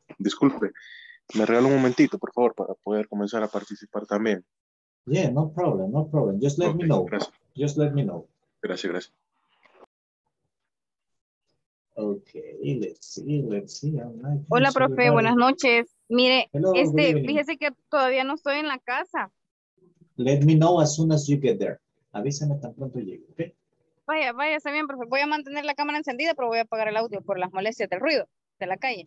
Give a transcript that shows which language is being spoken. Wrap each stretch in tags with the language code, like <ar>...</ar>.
<es>Disculpe, me regalo un momentito, por favor, para poder comenzar a participar también.</es> <en>Yeah, no problem, no problem. Just let me know. Gracias. Just let me know.</en> <es>Gracias, gracias.</es> <en>Okay, let's see.</en> <es>Hola, profe, buenas noches. Mire, fíjese que todavía no estoy en la casa.</es> <en>Let me know as soon as you get there.</en> <es>Avísame tan pronto llegue, ¿ok? Vaya, vaya, está bien, profe. Voy a mantener la cámara encendida, pero voy a apagar el audio por las molestias del ruido de la calle.</es>